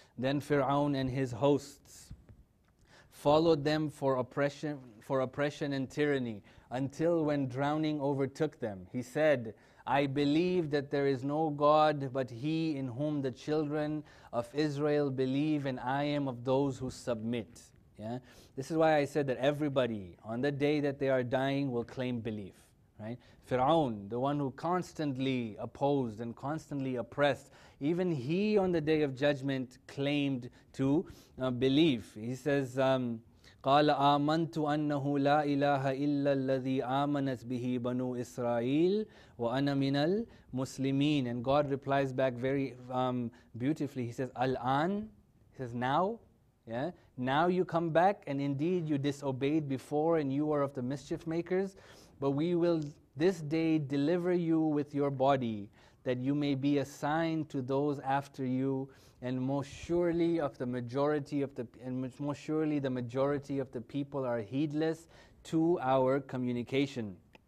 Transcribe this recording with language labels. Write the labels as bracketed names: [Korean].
[English] Then Fir'aun and his hosts followed them for oppression and tyranny, until when drowning overtook them, he said, 'I believe that there is no God but He in whom the children of Israel believe, and I am of those who submit.'" Yeah? This is why I said that everybody on the day that they are dying will claim belief, right? Fir'aun, the one who constantly opposed and constantly oppressed, even he on the Day of Judgment claimed to believe. He says, [Arabic] قَالَ آمَنْتُ أَنَّهُ لَا إِلَٰهَ إِلَّا الَّذِي آمَنَتْ بِهِ بَنُو إِسْرَائِيلِ وَأَنَا مِنَ الْمُسْلِمِينَ. [English] And God replies back very beautifully. He says, Al-An, he says, now, yeah, now you come back, and indeed you disobeyed before, and you are of the mischief makers. But we will this day deliver you with your body, that you may be a sign to those after you, and most surely of the majority of the and most surely the majority of the people are heedless to our communication.